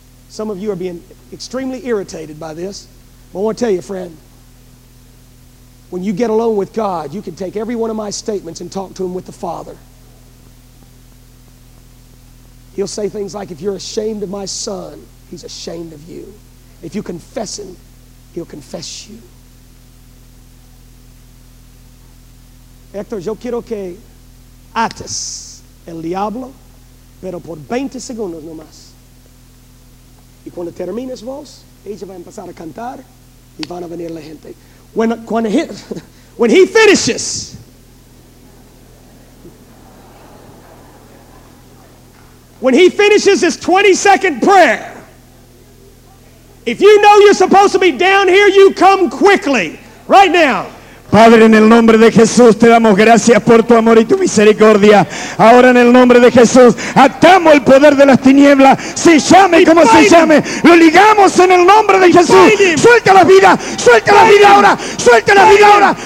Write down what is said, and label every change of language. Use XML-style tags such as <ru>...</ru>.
<en>Some of you are being extremely irritated by this. But I want to tell you, friend, when you get alone with God, you can take every one of my statements and talk to him with the Father. He'll say things like, if you're ashamed of my son, he's ashamed of you. If you confess him, he'll confess you.</en> <es>Hector, yo quiero que ates el diablo, pero por 20 segundos nomás. Y cuando termines vos, ella va a empezar a cantar y van a venir la gente. When he finishes, when he finishes his 20-second prayer, if you know you're supposed to be down here, you come quickly, right now. Padre, en el nombre de Jesús, te damos gracias por tu amor y tu misericordia. Ahora, en el nombre de Jesús, atamos el poder de las tinieblas. Se llame como se llame. Lo ligamos en el nombre de Jesús. Suelta la vida. Suelta la vida ahora. Suelta la vida ahora.</es>